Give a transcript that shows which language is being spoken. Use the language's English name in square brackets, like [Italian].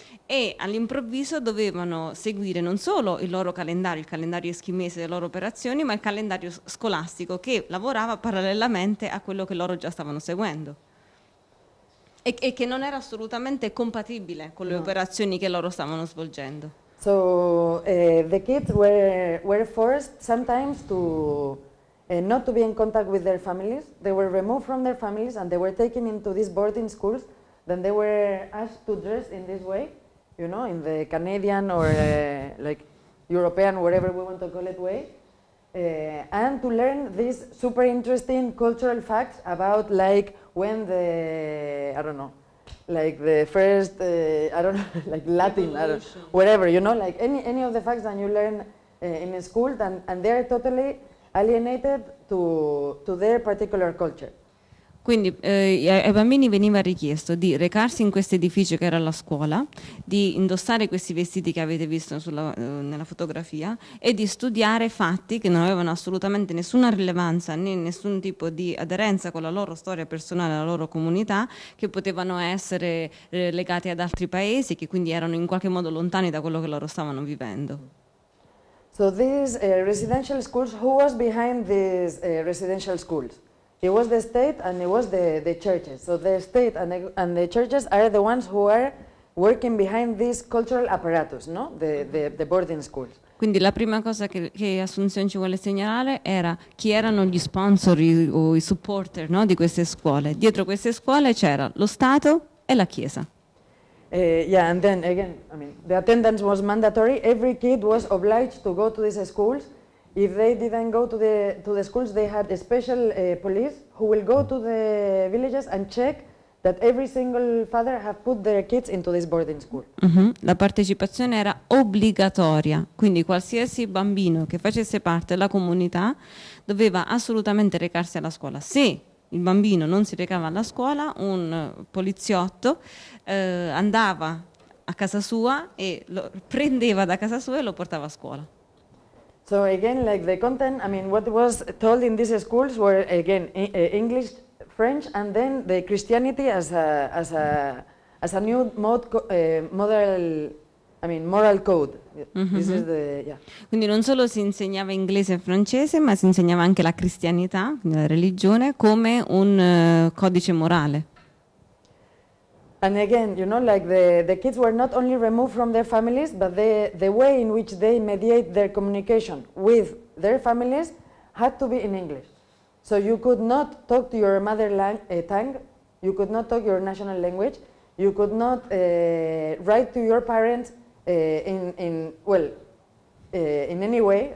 [Italian] E all'improvviso dovevano seguire non solo il loro calendario, il calendario eschimese delle loro operazioni, ma il calendario scolastico, che lavorava parallelamente a quello che loro già stavano seguendo e che non era assolutamente compatibile con le operazioni che loro stavano svolgendo. [English] So the kids were forced sometimes to not to be in contact with their families. They were removed from their families and they were taken into these boarding schools. Then they were asked to dress in this way, you know, in the Canadian or like European, whatever we want to call it, way. And to learn these super interesting cultural facts about, like, when the, I don't know, like the first, I don't know, like Latin, I don't, whatever, you know, like any of the facts that you learn in a school, and they're totally alienated to their particular culture. [Italian] Quindi ai bambini veniva richiesto di recarsi in questo edificio che era la scuola, di indossare questi vestiti che avete visto nella fotografia e di studiare fatti che non avevano assolutamente nessuna rilevanza né nessun tipo di aderenza con la loro storia personale, la loro comunità, che potevano essere legati ad altri paesi, che quindi erano in qualche modo lontani da quello che loro stavano vivendo. [English] So these residential schools, who was behind these residential schools? It was the state and it was the churches. So the state and the churches are the ones who are working behind this cultural apparatus, no? The boarding schools. [Italian] Quindi la prima cosa che Assunzione ci vuole segnalare era chi erano gli sponsor o i supporter, no, di queste scuole. Dietro queste scuole c'era lo Stato e la Chiesa. [English] Yeah, and then again, I mean, the attendance was mandatory. Every kid was obliged to go to these schools. If they didn't go to the schools, they had a special police who will go to the villages and check that every single father have put their kids into this boarding school. Mm-hmm. [Italian] La partecipazione era obbligatoria, quindi qualsiasi bambino che facesse parte della comunità doveva assolutamente recarsi alla scuola. Se il bambino non si recava alla scuola, un poliziotto andava a casa sua e lo prendeva da casa sua e lo portava a scuola. [English] So again, like the content, I mean, what was told in these schools were again English, French, and then the Christianity as a new moral code. Mm-hmm. This is the, yeah. [Italian] Quindi non solo si insegnava inglese e francese, ma si insegnava anche la cristianità, la religione, come un codice morale. [English] And again, you know, like the kids were not only removed from their families, but the way in which they mediate their communication with their families had to be in English. So you could not talk to your mother tongue, you could not talk your national language, you could not write to your parents in any way.